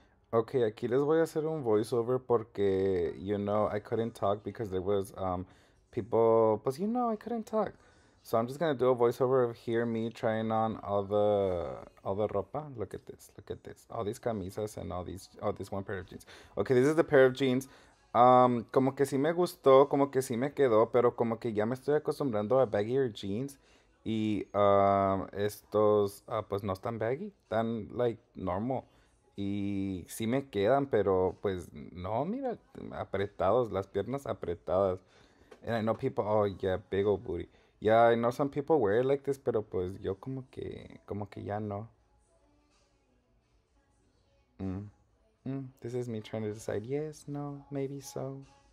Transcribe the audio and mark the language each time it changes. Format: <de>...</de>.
<en>Okay,</en> <es>aquí les voy a hacer un voiceover porque,</es> <en>you know, I couldn't talk because there was people, but you know, I couldn't talk. So I'm just going to do a voiceover of here, me trying on all the ropa. Look at this. All these camisas and all this one pair of jeans. Okay, this is the pair of jeans.</en> <es>Como que sí me gustó, como que sí me quedó, pero como que ya me estoy acostumbrando a</es> <en>baggier jeans.</en> <es>Y estos, pues no están baggy, están</es> <en>like normal.</en> <es>Y sí me quedan, pero pues no, mira, apretados, las piernas apretadas.</es> <en>And I know people, oh yeah, big old booty. Yeah, I know some people wear it like this,</en> <es>pero pues yo como que ya no.</es> <en>This is me trying to decide yes, no, maybe so.</en>